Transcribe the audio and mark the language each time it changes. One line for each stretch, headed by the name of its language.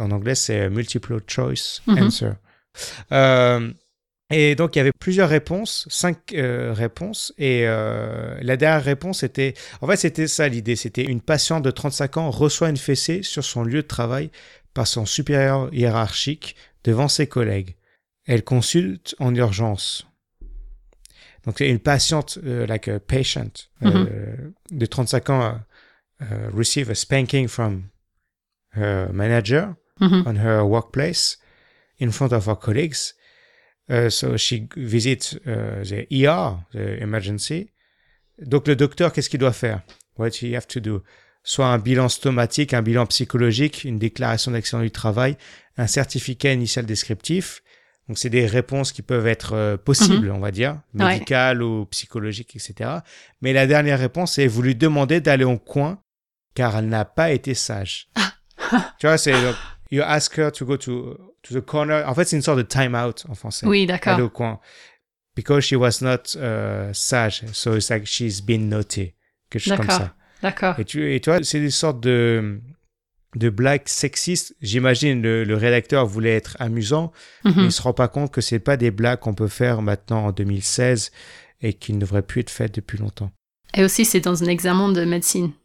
French: En anglais, c'est
English: multiple choice answer.
French: Et donc, il y avait plusieurs réponses, cinq réponses, et la dernière réponse était... En fait, c'était ça l'idée, c'était une patiente de 35 ans reçoit une fessée sur son lieu de travail par son supérieur hiérarchique devant ses collègues. Elle consulte en urgence. Donc, une patiente,
English: like a patient,
French: de 35 ans,
English: receive a spanking from her manager on her workplace in front of her colleagues. So she visits the ER, the emergency.
French: Donc le docteur, qu'est-ce qu'il doit faire?
English: What he have to do?
French: Soit un bilan stomatique, un bilan psychologique, une déclaration d'accident du travail, un certificat initial descriptif. Donc c'est des réponses qui peuvent être possibles, on va dire, médicales ou psychologiques, etc. Mais la dernière réponse, c'est vous lui demandez d'aller au coin car elle n'a pas été sage. Tu vois, c'est donc,
English: you ask her to go to the corner.
French: En fait, c'est une sorte de
English: time out
French: en français. Oui, d'accord. Aller au coin.
English: Because she was not sage. So it's like she's been noté.
French: Quelque chose d'accord. comme ça. D'accord. Et tu vois, c'est des sortes de blagues sexistes. J'imagine le rédacteur voulait être amusant, mais il ne se rend pas compte que ce n'est pas des blagues qu'on peut faire maintenant en 2016 et qui ne devraient plus être faites depuis longtemps. Et aussi, c'est dans un examen de médecine.